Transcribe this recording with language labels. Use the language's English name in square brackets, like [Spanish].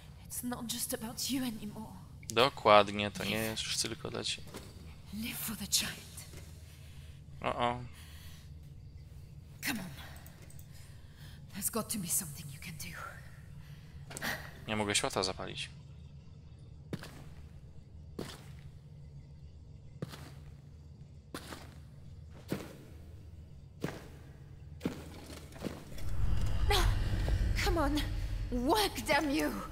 [English] It's not just about you anymore. [Polish] Dokładnie, to nie jest już tylko dla ciebie. [English] Live for the child. O-o. Come on. There's got to be something you can do. [Polish] Nie mogę światła zapalić. [English] No. Come on. Work, damn you!